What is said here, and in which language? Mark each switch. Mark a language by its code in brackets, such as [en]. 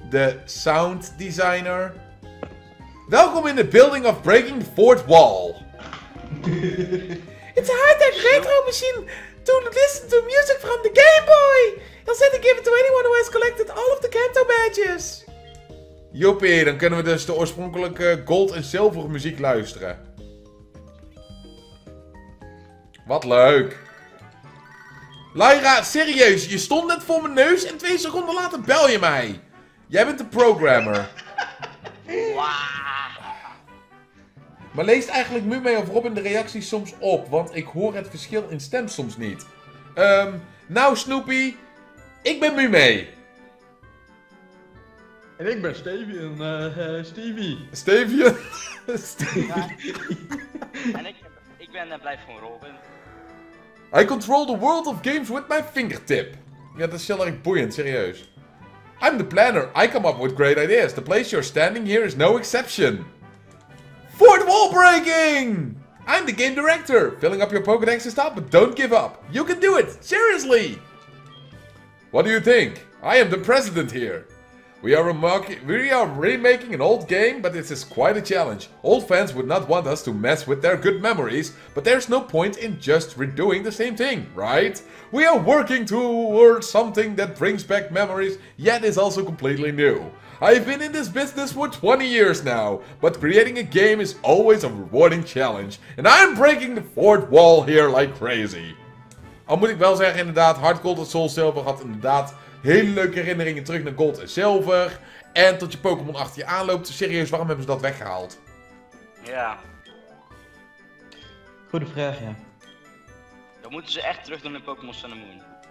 [en] The sound designer? [nl] Welkom [en] in the building of Breaking the Fourth Wall. It's a high-tech retro machine to listen to music from the Game Boy. I'll send and give it to anyone who has collected all of the Kanto badges. [nl] Joppie, dan kunnen we dus de oorspronkelijke gold en zilver muziek luisteren. Wat leuk. Lyra, serieus, je stond net voor mijn neus en 2 seconden later bel je mij. Jij bent de programmer. Maar leest eigenlijk Mumei of Robin de reacties soms op, want ik hoor het verschil in stem soms niet. Nou Snoopy, ik ben Mumei. En ik ben Stevie. Stevie? En ik ben blijf gewoon Robin. [en] I control the world of games with my fingertip. [nl] Ja, dat is heel erg boeiend, serieus. [en] I'm the planner. I come up with great ideas. The place you're standing here is no exception. Fourth wall breaking! I'm the game director. Filling up your Pokédex is top, but don't give up. You can do it, seriously! What do you think? I am the president here. We are remaking an old game, but this is quite a challenge. Old fans would not want us to mess with their good memories, but there's no point in just redoing the same thing, right? We are working towards something that brings back memories, yet is also completely new. I've been in this business for 20 years now, but creating a game is always a rewarding challenge, and I'm breaking the fourth wall here like crazy. [nl] Al moet ik wel zeggen, inderdaad, Heart Gold and Soul Silver had inderdaad hele leuke herinneringen terug naar Gold en Zilver. En tot je Pokémon achter je aanloopt. Serieus, waarom hebben ze dat weggehaald? Ja. Goede vraag, ja. Dan moeten ze echt terug doen in Pokémon Sun and Moon.